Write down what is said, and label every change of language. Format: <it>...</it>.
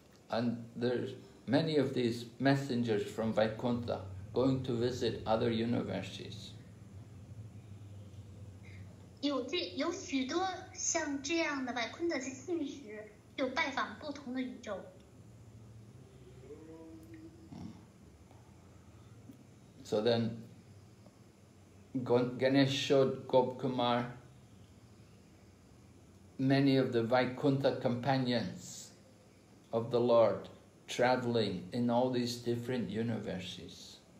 <en>And there's many of these messengers from Vaikuntha going to visit other universes.</en> <zh>有许多像这样的外昆德的信使就拜访不同的宇宙。</zh> <en>So then Ganesh showed Gopkumar many of the Vaikuntha companions of the Lord traveling in all these different universes.</en>